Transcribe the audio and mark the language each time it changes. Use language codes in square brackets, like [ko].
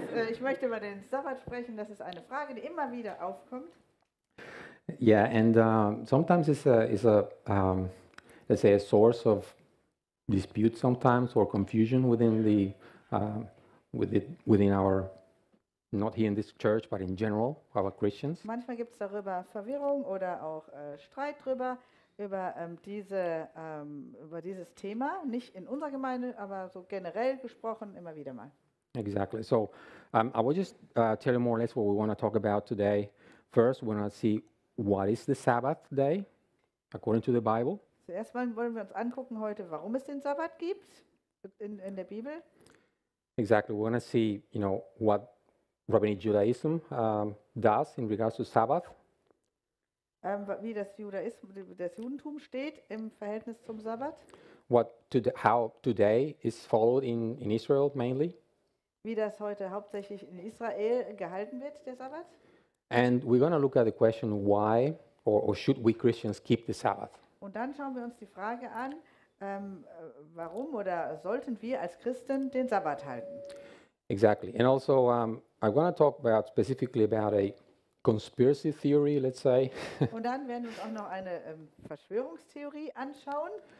[de] Ich möchte über den Sabbat sprechen. Das ist eine Frage, die immer wieder aufkommt. [en] Yeah, and sometimes it's a let's say a source of dispute sometimes or confusion within the within our. Not here in this church, but in general, our Christians. [de] Manchmal gibt es darüber Verwirrung oder auch Streit drüber, über dieses Thema, nicht in unserer Gemeinde, aber so generell gesprochen, immer wieder mal. [en] Exactly. So, I will just tell you more or less what we want to talk about today. First, we want to see what is the Sabbath day, according to the Bible. [de] Zuerst wollen wir uns angucken heute, warum es den Sabbat gibt in der Bibel. [en] Exactly. We want to see, you know, what Rabbinic Judaism does in regards to Sabbath. [de] Wie das Judentum steht im Verhältnis zum Sabbat. [en] What how today is followed in Israel mainly. [de] Wie das heute hauptsächlich in Israel gehalten wird, der Sabbat. [en] And we're going to look at the question why or should we Christians keep the Sabbath. [de] Und dann schauen wir uns die Frage an, warum oder sollten wir als Christen den Sabbat halten? [en] Exactly. And also I want to talk about specifically about a conspiracy theory, let's say. [de] Und dann werden wir uns auch noch eine Verschwörungstheorie anschauen.